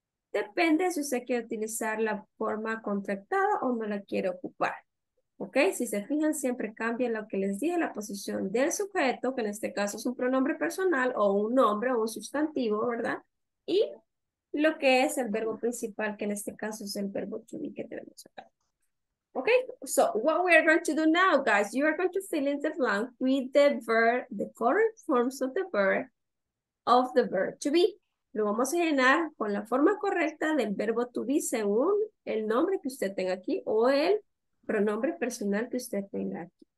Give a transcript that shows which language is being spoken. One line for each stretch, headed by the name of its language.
Spanish: Depende si usted quiere utilizar la forma contractada o no la quiere ocupar. Ok, si se fijan, siempre cambia lo que les dije, la posición del sujeto, que en este caso es un pronombre personal o un nombre o un sustantivo, ¿verdad? Y lo que es el verbo principal, que en este caso es el verbo to be que tenemos acá.
English: Okay, so what we are going to do now, guys, you are going to fill in the blank with the verb, the correct forms of the verb, of the verb to be.
Spanish: Lo vamos a llenar con la forma correcta del verbo to be según el nombre que usted tenga aquí o el pronombre personal que usted tenga aquí.